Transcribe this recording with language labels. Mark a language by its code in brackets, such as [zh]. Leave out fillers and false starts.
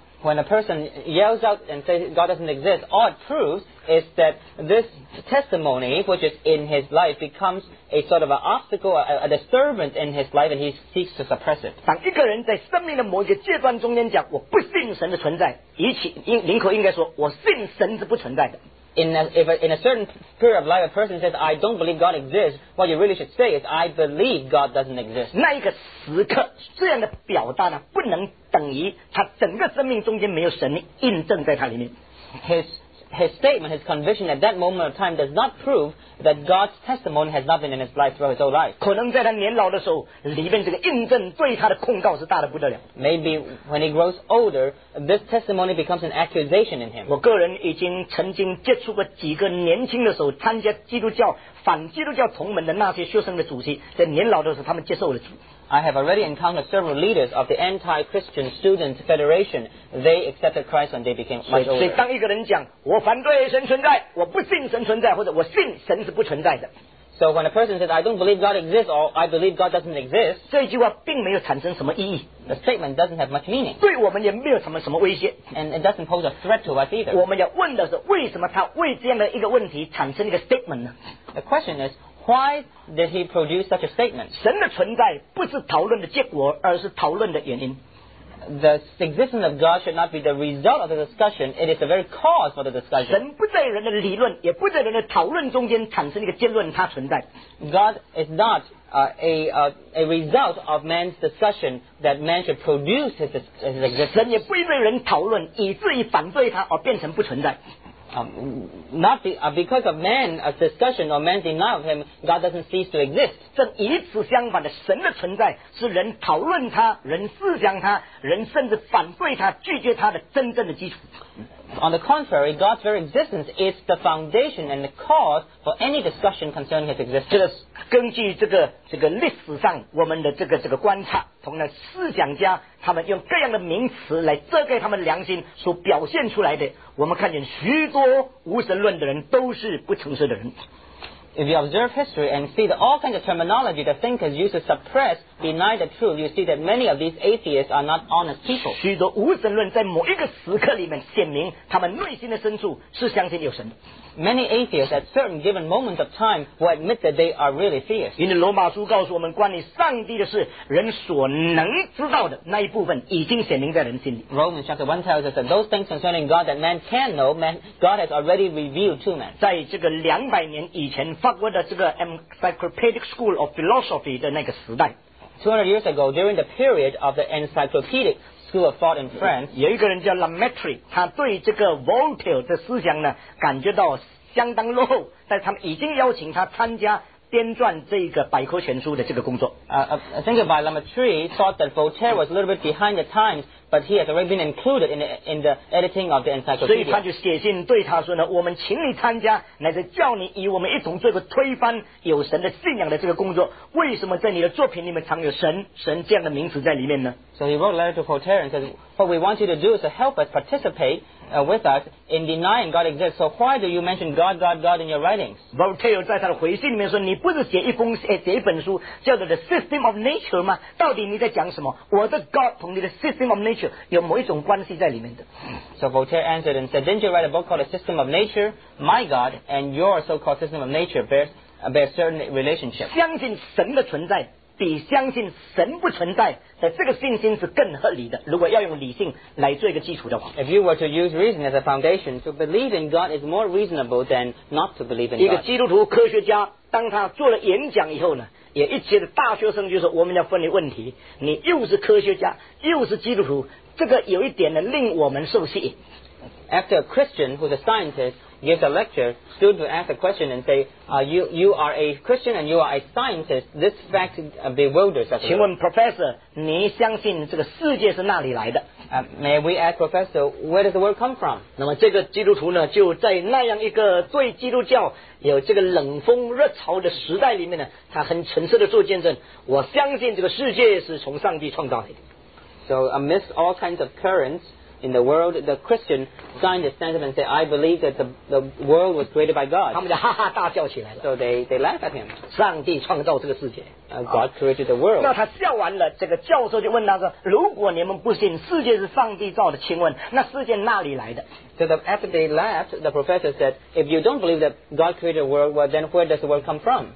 [en] When a person yells out and says God doesn't exist, all it proves is that this testimony, which is in his life, becomes a sort of an obstacle, a disturbance in his life, and he seeks to suppress it. [zh] 当一个人在生命的某一个阶段中间讲我不信神的存在，宁可应该说我信神是不存在的。 [en] In a certain period of life, a person says, I don't believe God exists, what you really should say is, I believe God doesn't exist. [zh] 那一个时刻，这样的表达呢，不能等于他整个生命中间没有神印证在他里面。 [en] His statement, his conviction at that moment of time does not prove that God's testimony has not been in his life throughout his whole life. [zh] 可能在他年老的时候，里面这个印证对他的控告是大的不得了。 [en] Maybe when he grows older, this testimony becomes an accusation in him. [zh] 我个人已经曾经接触过几个年轻的时候参加基督教、反基督教同盟的那些学生的主席，在年老的时候他们接受了主。 [en] I have already encountered several leaders of the Anti-Christian Students Federation. They accepted Christ when they became much older. [zh] 所以当一个人讲我反对神存在，我不信神存在，或者我信神是不存在的。 [en] So when a person says, I don't believe God exists, or I believe God doesn't exist, [zh] 这句话并没有产生什么意义。 [en] The statement doesn't have much meaning. [zh] 对我们也没有什么什么威胁。 [en] And it doesn't pose a threat to us either. [zh] 我们要问的是，为什么他为这样的一个问题产生一个 statement 呢？ [en] The question is, why did he produce such a statement? [zh] 神的存在不是讨论的结果，而是讨论的原因。 [en] The existence of God should not be the result of the discussion. It is the very cause for the discussion. [zh] 神不在人的理论，也不在人的讨论中间产生一个结论，它存在。 [en] God is not a result of man's discussion that man should produce his existence. [zh] 神也不因为人讨论，以至于反对他而变成不存在。 [en] Because of man's discussion or man's denial of him, God doesn't cease to exist. [zh] 正与此相反的，神的存在是人讨论他、人思想他、人甚至反对他、拒绝他的真正的基础。 [en] On the contrary, God's very existence is the foundation and the cause for any discussion concerning his existence. [zh] 这个根据这个历史上我们的这个观察，同样思想家他们用各样的名词来遮盖他们良心所表现出来的，我们看见许多无神论的人都是不诚实的人。 [en] If you observe history and see that all kinds of terminology that thinkers use to suppress, deny the truth, you see that many of these atheists are not honest people. [zh] 许多无神论在某一个时刻里面显明他们内心的深处是相信有神的。 [en] Many atheists at certain given moments of time will admit that they are really theists. [zh] 因为罗马书告诉我们关于上帝的事，人所能知道的那一部分已经显明在人心里。 [en] Romans chapter 1 tells us that those things concerning God that man can know, man, God has already revealed to man. [zh] 在这个200年以前法国的这个 Encyclopedic School of Philosophy 的那个时代， [en] 200 years ago, during the period of the Encyclopedic School of Thought in France, [zh] 有一个人叫 Lemaître， 他对这个 Voltaire 的思想呢感觉到相当落后，但他们已经邀请他参加编撰这个百科全书的这个工作。 [en] I think by Lemaître thought that Voltaire was a little bit behind the times, but he has already been included in the editing of the encyclopedia. [zh] 所以他就写信对他说呢，我们请你参加，乃是叫你与我们一同做个推翻有神的信仰的这个工作。为什么在你的作品里面藏有神这样的名词在里面呢？ [en] So he wrote a letter to Voltaire and said, what we want you to do is to help us participate with us in denying God exists. So why do you mention God, God, God in your writings? [zh] Voltaire 在他的回信里面说，你不是写一本书叫做 The System of Nature 吗？到底你在讲什么？我的 God 同你的 System of Nature 有某一种关系在里面的。 [en] So Voltaire answered and said, didn't you write a book called The System of Nature? My God and your so-called System of Nature bear certain relationship. [zh] 相信神的存在比相信神不存在的这个信心是更合理的，如果要用理性来做一个基础的话。 [en] If you were to use reason as a foundation, to believe in God is more reasonable than not to believe in God. [zh] 一个基督徒科学家当他做了演讲以后呢，也一些大学生就说，我们要分离问题，你又是科学家又是基督徒，这个有一点呢令我们受吸引。 [en] After a Christian who's a scientistgives a lecture, students will ask a question and say, you are a Christian and you are a scientist. This fact bewilders us. [zh] 请问 Professor, 你相信这个世界是哪里来的？ [en] May we ask Professor, where does the world come from? [zh] 那么这个基督徒呢，就在那样一个对基督教有这个冷风热潮的时代里面呢，他很诚实的做见证，我相信这个世界是从上帝创造来的。 [en] So amidst all kinds of currentsIn the world, the Christian scientist stands up and says, I believe that the world was created by God. [zh] 他们就哈哈大笑起来了。 [en] So they laugh at him. [zh] 上帝创造这个世界。 [en] God created the world. [zh] 那他笑完了，这个教授就问他说，如果你们不信世界是上帝造的，请问那世界哪里来的？ [en] So after they laughed, the professor said, if you don't believe that God created the world, well, then where does the world come from?